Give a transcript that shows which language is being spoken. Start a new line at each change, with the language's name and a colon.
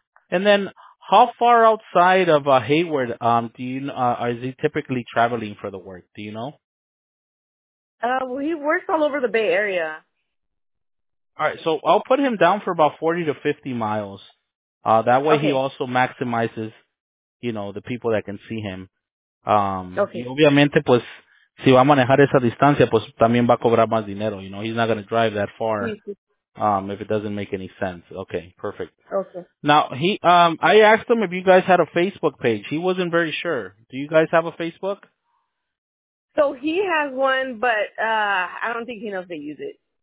English: And then how far outside of Hayward do you is he typically traveling for the work? Do you know? Well, he works all over the Bay Area. All right, so I'll put him down for about 40 to 50 miles. That way he also maximizes, you know, the people that can see him. Okay.
Spanish: Y obviamente, pues, si va a manejar esa distancia, pues también va a cobrar más dinero.
English: You know, he's not going to drive that far if it doesn't make any sense. Okay, perfect. Okay. Now, I asked him if you guys had a Facebook page. He wasn't very sure. Do you guys have a Facebook? So he has one, but I don't think he knows they use it.